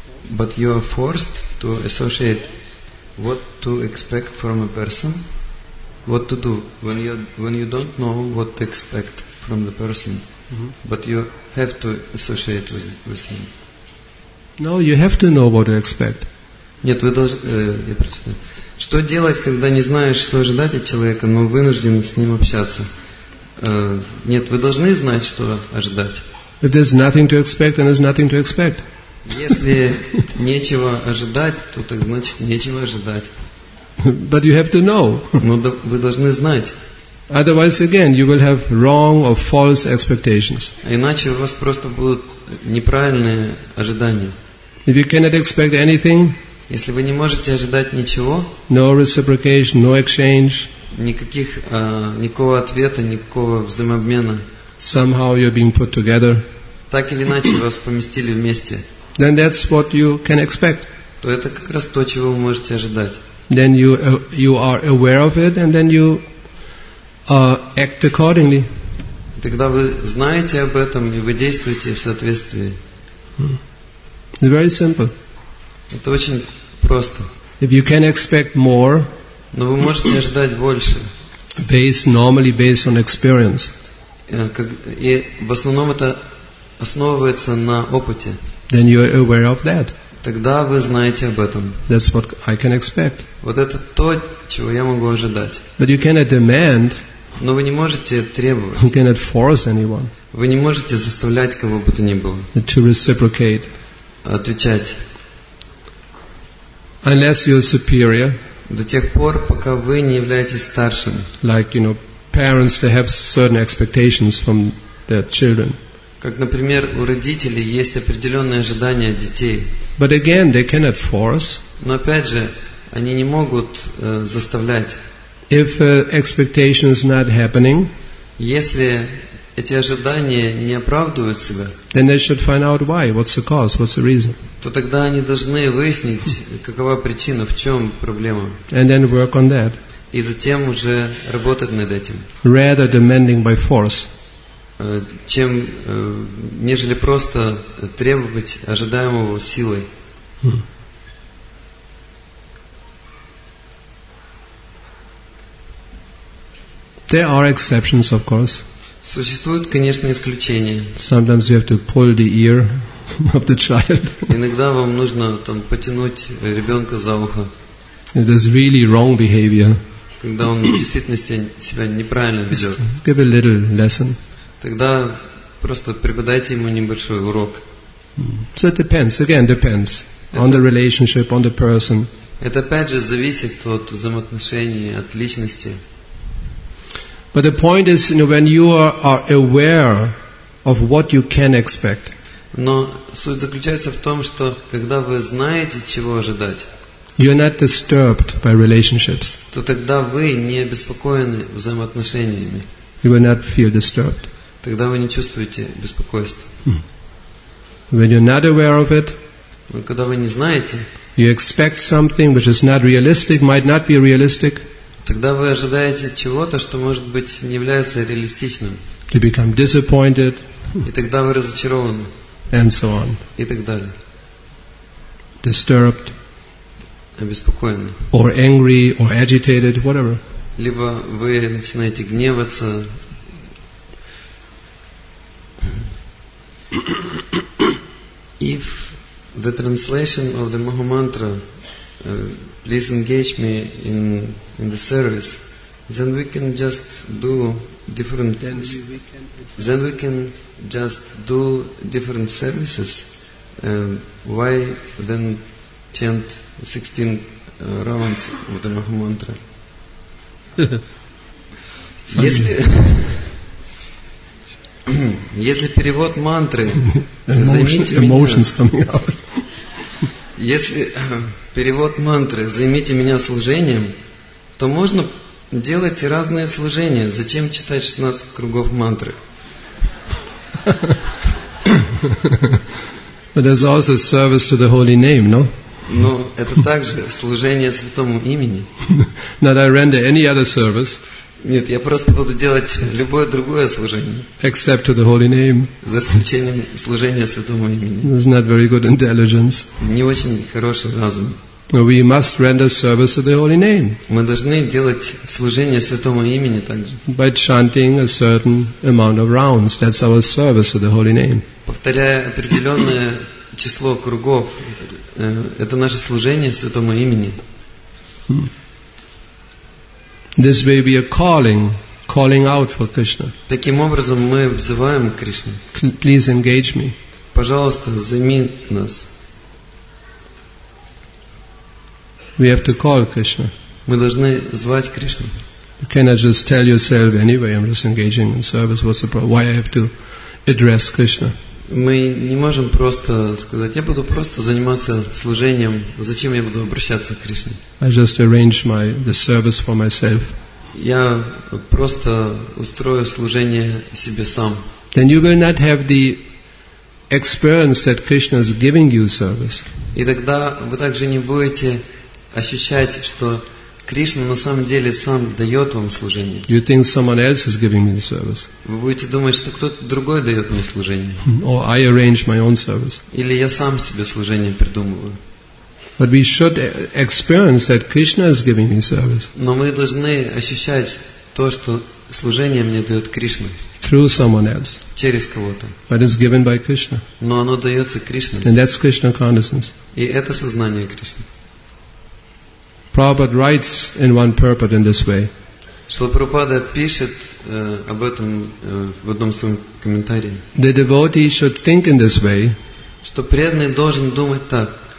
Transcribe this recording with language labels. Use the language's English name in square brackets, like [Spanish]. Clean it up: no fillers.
[English] But you are forced to associate. What to expect from a person? What to do when you don't know what to expect from the person, mm-hmm. but you have to associate with him? No, you have to know what to expect. [Russian] Нет, вы должны. Я прочитаю. Что делать, когда не знаешь, что ожидать от человека, но вынужден с ним общаться? Нет, вы должны знать, что ожидать. [English] If there's nothing to expect, then there's nothing to expect. [Russian] Если нечего ожидать, то так значит нечего ожидать. [English] But you have to know. [Russian] Но вы должны знать. [English] Otherwise, again, you will have wrong or false expectations. [Russian] Иначе у вас просто будут неправильные ожидания. [English] If you cannot expect anything, [Russian] если вы не можете ожидать ничего, [English] no reciprocation, no exchange, [Russian] никакого ответа, никакого взаимообмена, [English] somehow you're being put together. [Russian] Так или иначе вас поместили вместе. [English] Then that's what you can expect. [Russian] То это как раз то, чего вы можете ожидать. [English] Then you are aware of it, and then you act accordingly. [Russian] Тогда вы знаете об этом и вы действуете в соответствии. [English] It's very simple. [Russian] Это очень просто. [English] If you can expect more, [Russian] но вы можете ожидать больше. [English] Based on experience. [Russian] И в основном это основывается на опыте. [English] Then you are aware of that. [Russian] Тогда вы знаете об этом. [English] That's what I can expect. [Russian] Вот это то, чего я могу ожидать. [English] But you cannot demand. [Russian] Но вы не можете требовать. [English] You cannot force anyone. [Russian] Вы не можете заставлять кого бы то ни было. [English] To reciprocate. [Russian] Отвечать. [English] Unless you are superior. [Russian] До тех пор, пока вы не являетесь старшим. [English] Like, you know, parents, they have certain expectations from their children. [Russian] Как, например, у родителей есть определенные ожидания от детей. [English] But again, they cannot force. [Russian] Но опять же, они не могут заставлять. [English] If expectation is not happening, [Russian] если эти ожидания не оправдывают себя, [English] then they should find out why, what's the cause, what's the reason. [Russian] То тогда они должны выяснить, какова причина, в чем проблема. [English] And then work on that. [Russian] И затем уже работать над этим. [English] Rather demanding by force. [Russian] Чем нежели просто требовать ожидаемого силой. [English] There are exceptions, of course. [Russian] Существуют, конечно, исключения. [English] Sometimes you have to pull the ear of the child. [Russian] Иногда вам нужно там потянуть ребенка за ухо. [English] It is really wrong behavior. [Russian] Когда он в действительности себя неправильно ведет. [English] Just give a little lesson. [Russian] Тогда просто преподайте ему небольшой урок. [English] So it depends, again, depends on the relationship, on the person. [Russian] Это опять же зависит от взаимоотношений, от личности. [English] But the point is, you know, when you are aware of what you can expect. [Russian] Но суть заключается в том, что когда вы знаете, чего ожидать, [English] you are not disturbed by relationships. [Russian] То тогда вы не обеспокоены взаимоотношениями. [English] You will not feel disturbed. [Russian] Тогда вы не чувствуете беспокойства. [English] When you're not aware of it, [Russian] но когда вы не знаете, [English] you expect something which is not realistic, might not be realistic. [Russian] Тогда вы ожидаете чего-то, что, может быть, не является реалистичным. [English] You become disappointed. [Russian] И тогда вы разочарованы. [English] And so on. [Russian] И так далее. [English] Disturbed. [Russian] Обеспокоены. [English] Or angry, or agitated, whatever. [Russian] Либо вы начинаете гневаться. [English] If the translation of the Maha Mantra, please engage me in the service, then we can just do different things. Then we can just do different services. Why then chant 16 rounds of the Maha Mantra? [Russian] Если перевод мантры, если перевод мантры, займите меня служением, то можно делать разные служения. Зачем читать 16 кругов мантры? [English] But there's also service to the holy name, no? [Russian] Но это также служение святому имени. [English] Not I render any other service. [Russian] Нет, я просто буду делать любое другое служение. [English] Except to the holy name. [Russian] За исключением служения святому имени. [English] It's not very good intelligence. [Russian] Не очень хороший разум. [English] We must render service to the holy name. [Russian] Мы должны делать служение святому имени также. [English] By chanting a certain amount of rounds, that's our service to the holy name. [Russian] Повторяя определенное число кругов, это наше служение святому имени. [English] This way we are calling out for Krishna. [Russian] Таким образом мы взываем к Кришне. [English] Please engage me. [Russian] Пожалуйста, займи нас. [English] We have to call Krishna. [Russian] Мы должны звать Кришну. [English] You cannot just tell yourself anyway, I'm just engaging in service. What's the problem? Why I have to address Krishna? [Russian] Мы не можем просто сказать, я буду просто заниматься служением, зачем я буду обращаться к Кришне? [English] I just arrange the service for myself. [Russian] Я просто устрою служение себе сам. [English] Then you will not have the experience that Krishna is giving you service. [Russian] И тогда вы также не будете ощущать, что Кришна на самом деле сам дает вам служение. [English] You think someone else is giving me the service? [Russian] Вы будете думать, что кто-то другой дает мне служение. [English] Or I arrange my own service. [Russian] Или я сам себе служение придумываю. [English] But we should experience that Krishna is giving me service. [Russian] Но мы должны ощущать то, что служение мне дает Кришна. [English] Through someone else. [Russian] Через кого-то. [English] But it's given by Krishna. [Russian] Но оно дается Кришне. [English] And that's Krishna consciousness. [Russian] И это сознание Кришны. [English] Prabhupada writes in one purport in this way. [Russian] Шрила Прабхупада пишет об этом в одном своем комментарии. [English] The devotee should think in this way. [Russian] Что преданный должен думать так.